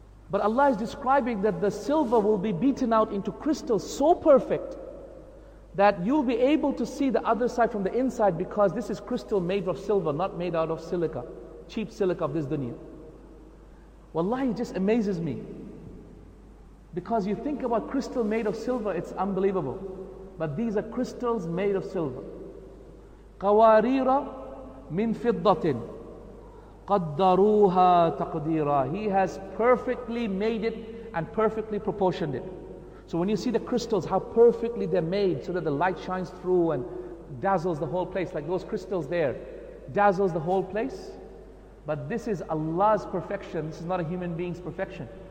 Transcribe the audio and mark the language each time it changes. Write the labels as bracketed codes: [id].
[en] But Allah is describing that the silver will be beaten out into crystal so perfect that you'll be able to see the other side from the inside, because this is crystal made of silver, not made out of silica, cheap silica of this dunya. Wallahi, it just amazes me. Because you think about crystal made of silver, it's unbelievable. But these are crystals made of silver. [ar] قوارير من فضة قدروها تقديرا. [en] He has perfectly made it and perfectly proportioned it. So when you see the crystals, how perfectly they're made so that the light shines through and dazzles the whole place, like those crystals there, dazzles the whole place. But this is Allah's perfection. This is not a human being's perfection.